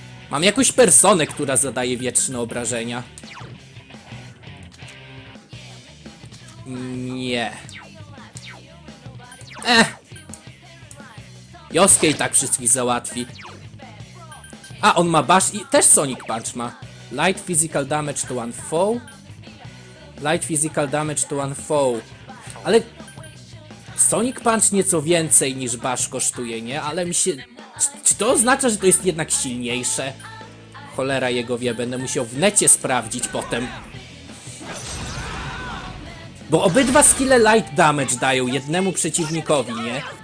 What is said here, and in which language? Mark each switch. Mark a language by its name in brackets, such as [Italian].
[Polish] Mam jakąś personę, która zadaje wieczne obrażenia. Nie. Josuke i tak wszystkich załatwi. A, on ma bash i też Sonic Punch ma. [English] Light physical damage to one foe. Light physical damage to one foe. [Polish] Ale Sonic Punch nieco więcej niż bash kosztuje, nie? Ale mi się... Czy to oznacza, że to jest jednak silniejsze? Cholera jego wie, będę musiał w necie sprawdzić potem. Bo obydwa skille light damage dają jednemu przeciwnikowi, nie?